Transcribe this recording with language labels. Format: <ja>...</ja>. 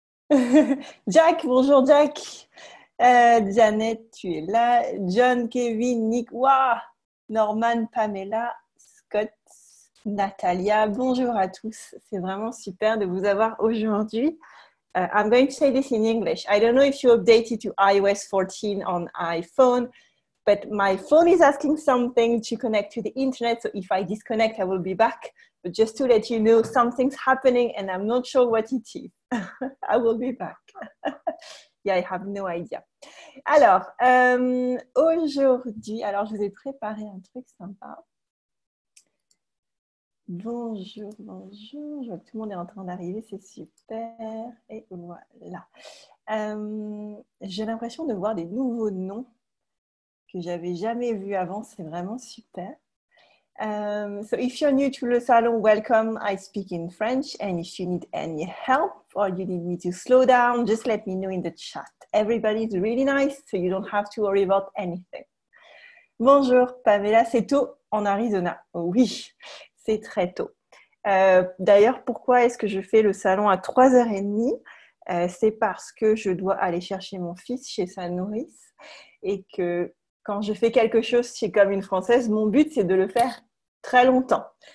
<fr>Jack, bonjour Jack. Janet, tu es là. John, Kevin, Nick, wow! Norman, Pamela, Scott, Natalia. Bonjour à tous. C'est vraiment super de vous avoir aujourd'hui.</fr> <en>I'm going to say this in English. I don't know if you updated to iOS 14 on iPhone, but my phone is asking something to connect to the internet. So if I disconnect, I will be back. But just to let you know, something's happening and I'm not sure what it is. I will be back. Yeah, I have no idea.</en> <fr>Alors, aujourd'hui, alors je vous ai préparé un truc sympa. Bonjour, bonjour. Je vois que tout le monde est en train d'arriver, c'est super. Et voilà. J'ai l'impression de voir des nouveaux noms que j'avais jamais vus avant. C'est vraiment super.</fr> <en>So if you're new to Le Salon, welcome. I speak in French, and if you need any help or you need me to slow down, just let me know in the chat. Everybody's really nice, so you don't have to worry about anything.</en> <fr>Bonjour, Pamela, c'est tôt en Arizona. Oh, oui, c'est très tôt. D'ailleurs, pourquoi est-ce que je fais le salon à 3h30? C'est parce que je dois aller chercher mon fils chez sa nourrice et que quand je fais quelque chose, c'est comme une Française, mon but, c'est de le faire très longtemps.</fr>